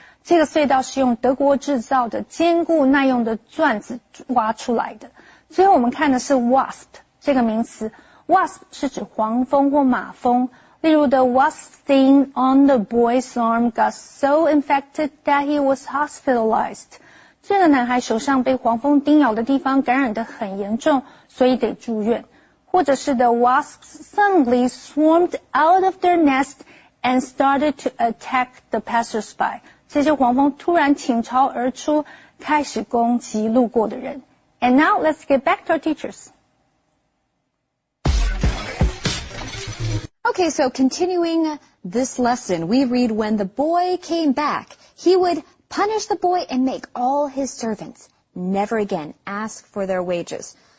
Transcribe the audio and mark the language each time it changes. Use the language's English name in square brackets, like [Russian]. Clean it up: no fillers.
[Chinese] 这个隧道是用德国制造的坚固耐用的钻子挖出来的。最后我们看的是 wasp 这个名词。 [English] wasp [Chinese] 是指黄蜂或马蜂，例如 [English] the wasp sting on the boy's arm got so infected that he was hospitalized. [Chinese] 这个男孩手上被黄蜂叮咬的地方感染得很严重，所以得住院。或者是 [English] the wasps suddenly swarmed out of their nest and started to attack the passersby. [Chinese] 这些黄蜂突然倾巢而出，开始攻击路过的人。 [English] And now let's get back to our teachers. Okay, so continuing this lesson, we read when the boy came back, he would punish the boy and make all his servants never again ask for their wages.